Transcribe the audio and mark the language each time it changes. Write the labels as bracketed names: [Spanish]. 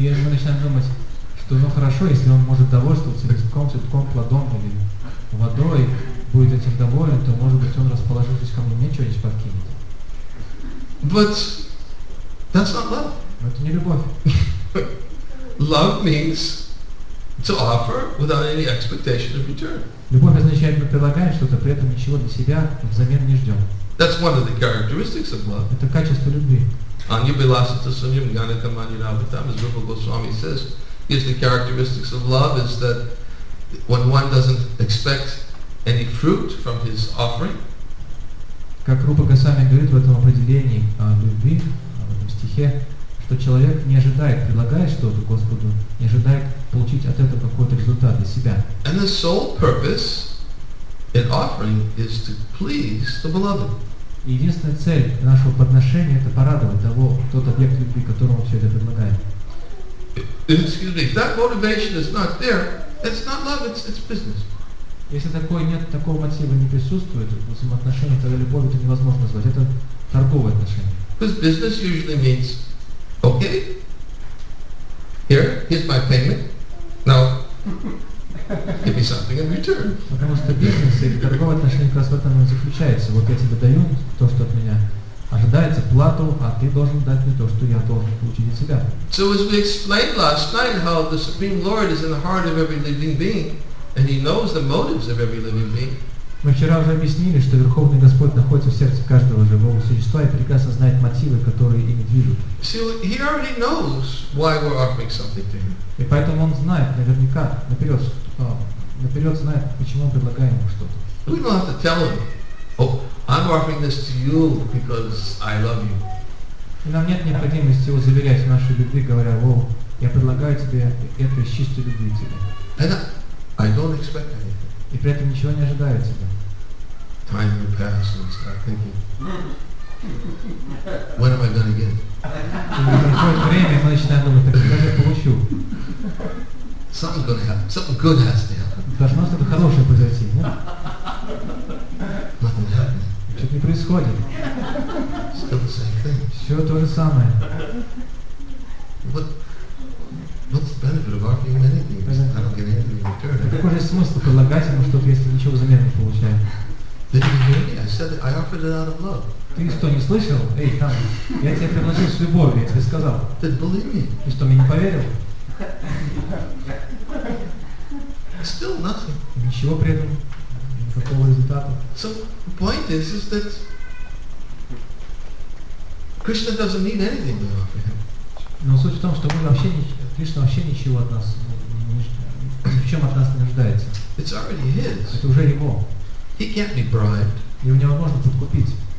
[Russian] Я начинаю думать, что хорошо, если он может довольствоваться листком, цветком, плодом или водой, будет этим доволен, то может быть он расположившись ко мне, мне что-нибудь подкинет. [English] But that's not love. [Russian] Но это не любовь. [English] Love means to offer without any expectation of return. [Russian] Любовь означает, мы предлагаем что-то, при этом ничего для себя взамен не ждем. [English] That's one of the characteristics of love. [Russian] Это качество любви. [Sanskrit] Anya Bilasita Sunyam Ganita Manyanabhatam, [English] as Rupa Goswami says, is the characteristics of love is that when one doesn't expect any fruit from his offering. [Russian] Как Рупа Госвами говорит в этом определении любви, в этом стихе, что человек не ожидает, предлагая что-то Господу, не ожидает получить от этого какой-то результат для себя. [English] And the sole purpose in offering is to please the beloved. [Russian] Единственная цель нашего подношения это порадовать того, тот объект любви, которому все это предлагает. [English] Excuse me, if that motivation is not there, it's not love, it's business. [Russian] Если такой нет, такого мотива не присутствует, взаимоотношения, тогда любовь это невозможно назвать. Это торговые отношения. [English] Because business usually means, okay, here's my payment. Now give me something in return. [Russian] Потому что бизнес и торговые отношения как раз в этом и заключается. Вот я тебе даю то, что от меня ожидается, плату, а ты должен дать мне то, что я должен получить от себя. [English] So as we explained last night how the Supreme Lord is in the heart of every living being and he knows the motives of every living being. [Russian] Мы вчера уже объяснили, что Верховный Господь находится в сердце каждого живого существа и прекрасно знает мотивы, которые ими движут. [English] He already knows why we're offering something to him. [Russian] И поэтому он знает наверняка, наперед знает, почему мы предлагаем ему что-то. [English] We don't have to tell him, oh, I'm offering this to you because I love you. [Russian] И нам нет необходимости его заверять в нашей любви, говоря, о, я предлагаю тебе это из чистой любви тебе. [English] I don't expect anything. [Russian] И при этом ничего не ожидаю от тебя. [English] Time will pass and start thinking. When am I going to get? [Russian] Проходит время, и мы начинаем думать, так когда же я получу? [English] Something's going to happen. Something good has to happen. [Russian] Должно что-то хорошее произойти, нет? [English] Nothing happens. [Russian] Что-то не происходит. [English] Still the same thing. [Russian] Все то же самое. [English] What's the benefit of offering him anything? I don't get anything in return. [Russian] Да какой же смысл предлагать ему что-то, если ничего взамен не получаю? [English] Did you hear me? I said that I offered it out of love. [Russian] Ты что, не слышал? Эй, там, я тебе предложил с любовью, я тебе сказал. [English] Did believe me? [Russian] Ты что, мне не поверил? [English] Still nothing. [Russian] Ничего при этом, никакого результата. [English] So the point is that Krishna doesn't need anything to offer him. [Russian] Но суть в том, что мы вообще Кришна вообще ничего от нас ни в чем от нас не нуждается. [English] It's already his. [Russian] Это уже его. [English] He can't be bribed. [Russian] Его невозможно подкупить.